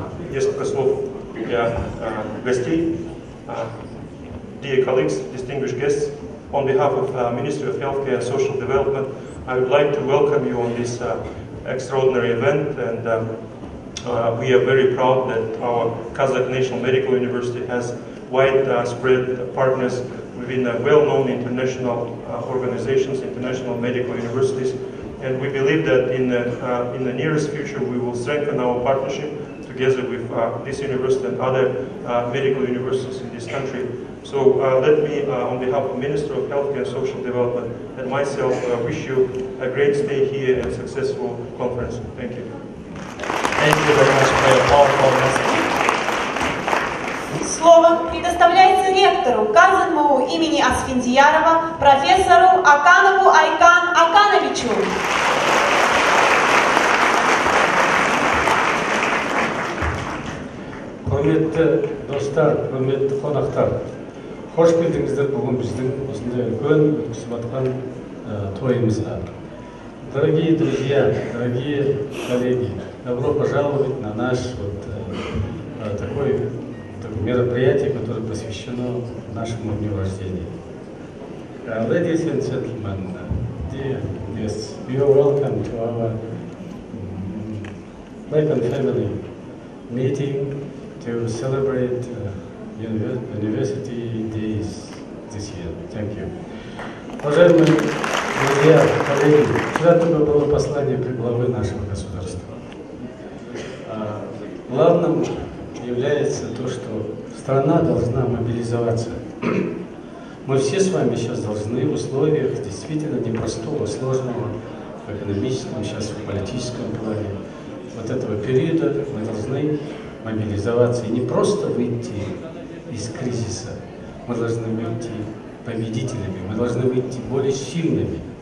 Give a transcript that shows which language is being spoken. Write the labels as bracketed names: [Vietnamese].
[Russian] Несколько слов для гостей. [English] Dear colleagues, distinguished guests, on behalf of the Ministry of Healthcare and Social Development, I would like to welcome you on this extraordinary event, and we are very proud that our Kazakh National Medical University has widespread partners within well-known international organizations, international medical universities, and we believe that in the nearest future we will strengthen our partnership together with this university and other medical universities in this country. So let me, on behalf of Minister of Healthcare and Social Development and myself, wish you a great stay here and successful conference. Thank you. Thank you very much for your powerful message. [Russian] Слово предоставляется ректору КазМУ имени Асфендиярова профессору Аканову Айкан Акановичу. [Kazakh] Құрметті достар, құрметті қонақтар, қош келдіңіздер бүгін біздің осындай үлкен өткізіп атқан тойымызға. [Russian] Дорогие друзья, дорогие коллеги, добро пожаловать на наш вот такой мероприятие, которое посвящено нашему дню рождения. [English] Ladies and gentlemen, dear guests, you are welcome to our life and family meeting to celebrate University Days this year. Thank you. [Russian] Уважаемые друзья, коллеги, вчера только было послание главы нашего государства. Главным является то, что страна должна мобилизоваться. Мы все с вами сейчас должны в условиях действительно непростого, сложного, в экономическом, сейчас в политическом плане, вот этого периода мы должны мобилизоваться и не просто выйти из кризиса, мы должны выйти победителями, мы должны выйти более сильными.